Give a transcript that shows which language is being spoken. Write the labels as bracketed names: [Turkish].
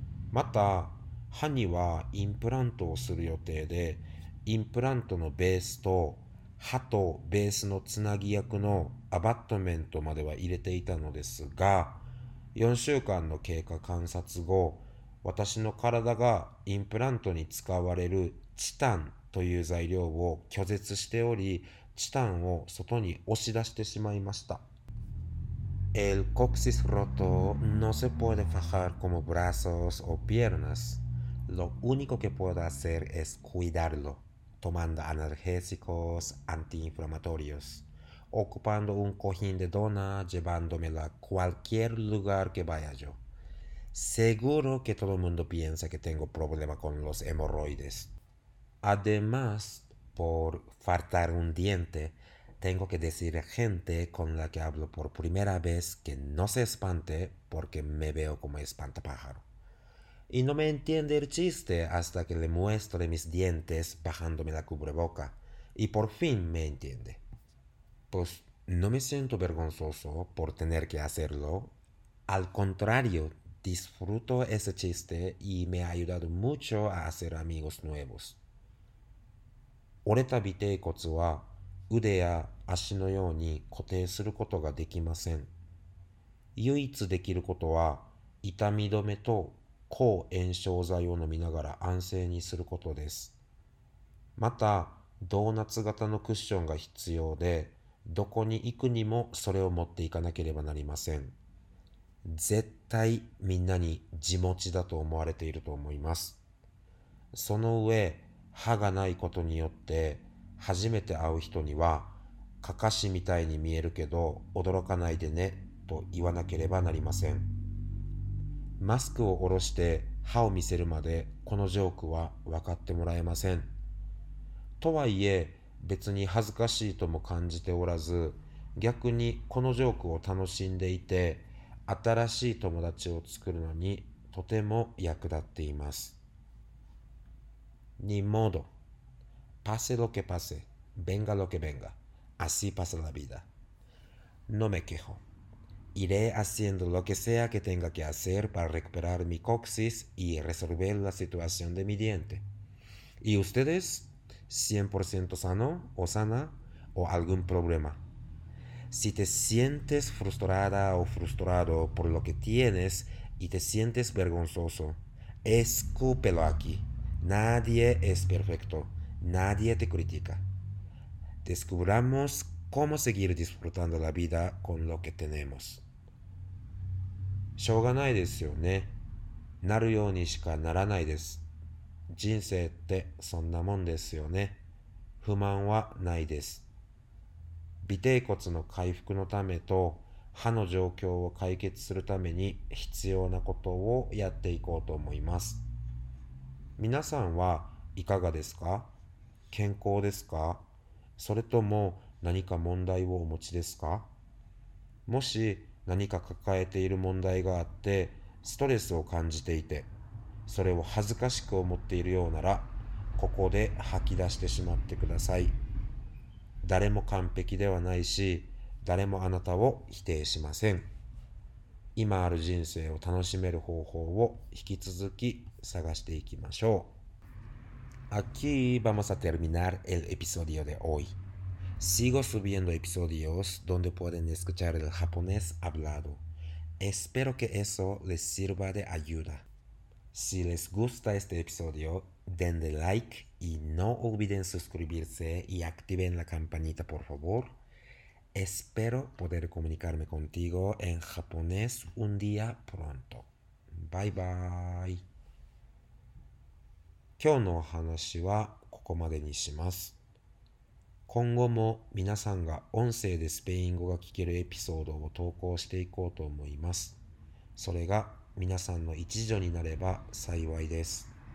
[Japanese] また歯にはインプラントをする予定で、インプラントのベースと歯とベースのつなぎ役のアバットメントまでは入れていたのですが、4週間の経過観察後、私の体がインプラントに使われるチタンという材料を拒絶しており、チタンを外に押し出してしまいました。 [Spanish] El coxis roto no se puede fajar como brazos o piernas. Lo único que puedo hacer es cuidarlo, tomando analgésicos antiinflamatorios, ocupando un cojín de dona, llevándomelo a cualquier lugar que vaya yo. Seguro que todo el mundo piensa que tengo problema con los hemorroides. Además, por faltar un diente, tengo que decir a gente con la que hablo por primera vez que no se espante porque me veo como espantapájaro. Y no me entiende el chiste hasta que le muestre mis dientes bajándome la cubreboca. Y por fin me entiende. Pues no me siento vergonzoso por tener que hacerlo. Al contrario, disfruto ese chiste y me ha ayudado mucho a hacer amigos nuevos. [Japanese] 折れた尾底骨は腕や足のように固定することができません。唯一できることは痛み止めと抗炎症剤を飲みながら安静にすることです。またドーナツ型のクッションが必要で、どこに行くにもそれを持っていかなければなりません。絶対みんなに地持ちだと思われていると思います。その上、歯がないことによって初めて会う人にはカカシみたいに見えるけど驚かないでねと言わなければなりません。マスクを下ろして歯を見せるまでこのジョークは分かってもらえません。とはいえ別に恥ずかしいとも感じておらず、逆にこのジョークを楽しんでいて、新しい友達を作るのにとても役立っています。 [Spanish] Ni modo. Pase lo que pase, venga lo que venga, así pasa la vida. No me quejo. Iré haciendo lo que sea que tenga que hacer para recuperar mi coxis y resolver la situación de mi diente. ¿Y ustedes? ¿100% sano o sana o algún problema? Si te sientes frustrada o frustrado por lo que tienes y te sientes vergonzoso, escúpelo aquí. Nadie es perfecto. Nadie te critica. Descubramos cómo seguir disfrutando la vida con lo que tenemos. [Japanese] しょうがないですよね。なるようにしかならないです。人生ってそんなもんですよね。不満はないです。尾低骨の回復のためと歯の状況を解決するために必要なことをやっていこうと思います。皆さんはいかがですか？健康ですか？それとも何か問題をお持ちですか？もし何か抱えている問題があってストレスを感じていて、それを恥ずかしく思っているようなら、ここで吐き出してしまってください。誰も完璧ではないし、誰もあなたを否定しません。今ある人生を楽しめる方法を引き続き探していきましょう。 [Spanish] Aquí vamos a terminar el episodio de hoy. Sigo subiendo episodios donde pueden escuchar el japonés hablado. Espero que eso les sirva de ayuda. Si les gusta este episodio, denle like y no olviden suscribirse y activen la campanita, por favor. Espero poder comunicarme contigo en japonés un día pronto. [English] Bye bye. [Japanese] 今日のお話はここまでにします。今後も皆さんが音声でスペイン語が聞けるエピソードを投稿していこうと思います。それが皆さんの一助になれば幸いです。